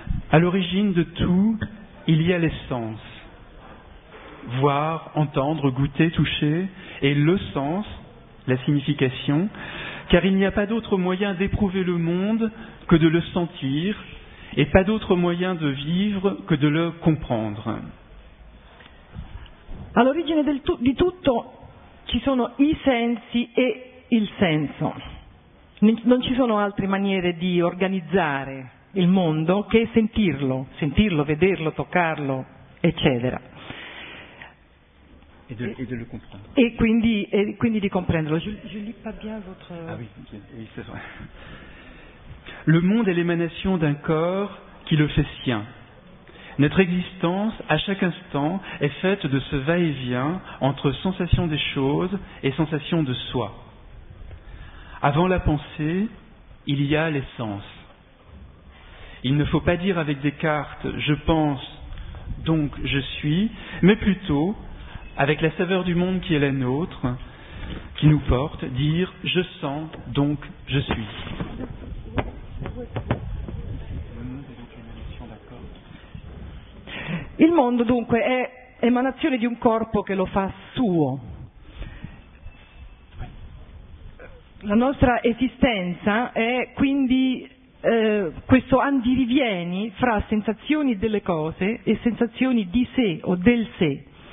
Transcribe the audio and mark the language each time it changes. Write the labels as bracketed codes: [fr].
[fr] À l'origine de tout, il y a les sens. Voir, entendre, goûter, toucher, et le sens, la signification, car il n'y a pas d'autre moyen d'éprouver le monde que de le sentir, et pas d'autre moyen de vivre que de le comprendre. À l'origine [it] di tutto, ci sono i sensi e il senso. Non ci sono altre maniere di organizzare il mondo che sentirlo, vederlo, toccarlo, eccetera. E [fr] le comprendre. [it] E quindi di comprenderlo. [fr] Je lis pas bien votre... Ah oui, c'est vrai. Le monde est l'émanation d'un corps qui le fait sien. Notre existence, à chaque instant, est faite de ce va-et-vient entre sensation des choses et sensation de soi. Avant la pensée, il y a les sens. Il ne faut pas dire avec Descartes « je pense, donc je suis », mais plutôt, avec la saveur du monde qui est la nôtre, qui nous porte, dire « je sens, donc je suis ». [it] Il mondo, dunque, è emanazione di un corpo che lo fa suo. La nostra esistenza è quindi questo andirivieni fra sensazioni delle cose e sensazioni di sé o del sé.